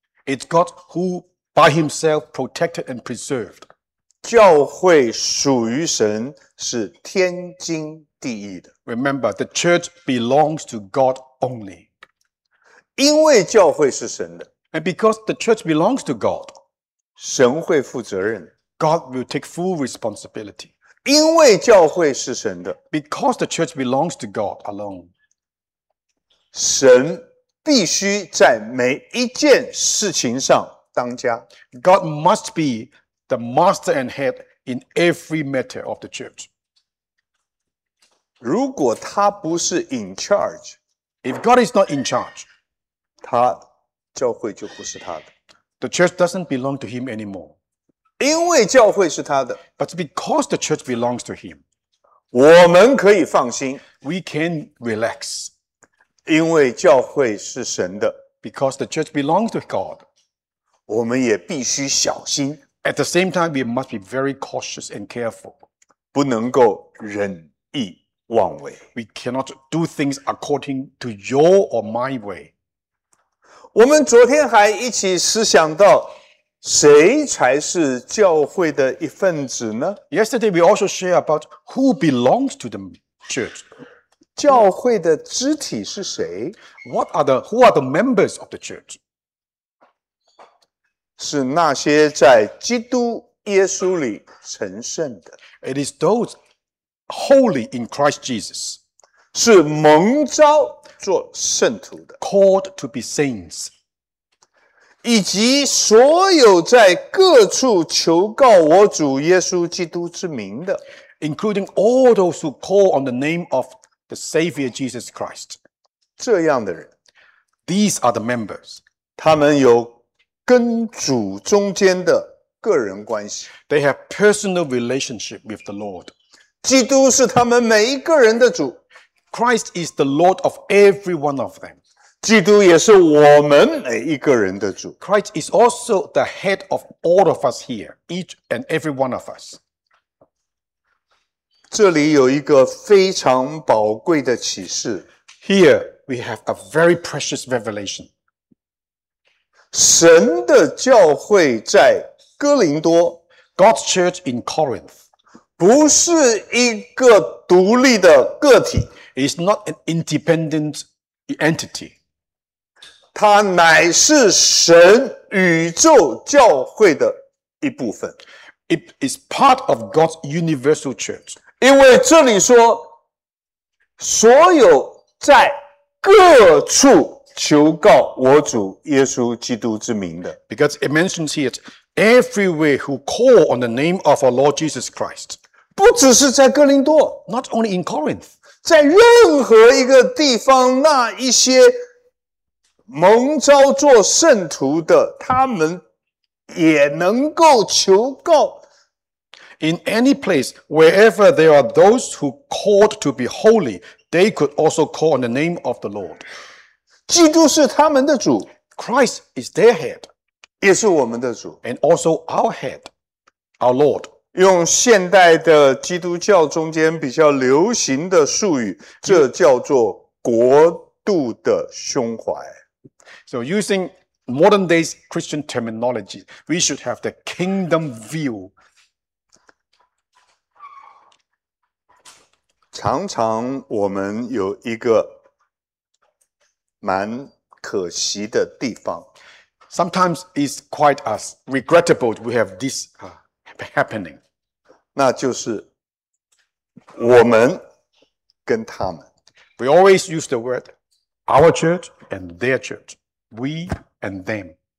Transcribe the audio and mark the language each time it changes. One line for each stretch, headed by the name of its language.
English: It's God who by Himself protected and preserved.
Chinese: 教会属于神是天经地义的。
English: Remember, the church belongs to God only.
Chinese: 因为教会是神的。
English: And because the church belongs to God,
Chinese: 神会负责任。
English: God will take full responsibility.
Chinese: 因为教会是神的。
English: Because the church belongs to God alone.
Chinese: 神必须在每一件事情上当家。
English: God must be the master and head in every matter of the church.
Chinese: 如果他不是
English: in charge, if God is not in charge,
Chinese: 他教会就不是他的。
English: The church doesn't belong to him anymore.
Chinese: 因为教会是他的。
English: But because the church belongs to him,
Chinese: 我们可以放心。
English: We can relax.
Chinese: 因为教会是神的。
English: Because the church belongs to God,
Chinese: 我们也必须小心。
English: At the same time, we must be very cautious and careful.
Chinese: 不能够任意妄为。
English: We cannot do things according to your or my way.
Chinese: 我们昨天还一起思想到谁才是教会的一份子呢？
English: Yesterday, we also share about who belongs to the church.
Chinese: 教会的肢体是谁？
English: Who are the members of the church?
Chinese: 是那些在基督耶稣里成圣的。
English: It is those holy in Christ Jesus.
Chinese: 是蒙召做圣徒的。
English: Called to be saints.
Chinese: 以及所有在各处求告我主耶稣基督之名的。
English: Including all those who call on the name of the Savior Jesus Christ.
Chinese: 这样的人。
English: These are the members.
Chinese: 他们有跟主中间的个人关系。
English: They have personal relationship with the Lord.
Chinese: 基督是他们每一个人的主。
English: Christ is the Lord of every one of them.
Chinese: 基督也是我们每一个人的主。
English: Christ is also the head of all of us here, each and every one of us.
Chinese: 这里有一个非常宝贵的启示。
English: Here we have a very precious revelation.
Chinese: 神的教会在哥林多
English: God's church in Corinth
Chinese: 不是一个独立的个体
English: It's not an independent entity
Chinese: 它乃是神宇宙教会的一部分
English: It is part of God's universal church
Chinese: 因为这里说所有在各处求告我主耶稣基督之名的。
English: Because it mentions here, everywhere who call on the name of our Lord Jesus Christ.
Chinese: 不只是在哥林多。
English: Not only in Corinth.
Chinese: 在任何一个地方那一些蒙召做圣徒的他们也能够求告。
English: In any place, wherever there are those who called to be holy, they could also call on the name of the Lord.
Chinese: 基督是他们的主
English: Christ is their head
Chinese: 也是我们的主
English: And also our head Our Lord
Chinese: 用现代的基督教中间比较流行的术语这叫做国度的胸怀
English: So using modern days Christian terminology We should have the kingdom view
Chinese: 常常我们有一个蛮可惜的地方。
English: Sometimes it's quite as regrettable we have this happening.
Chinese: 那就是我们跟他们。
English: We always use the word our church and their church. We and them.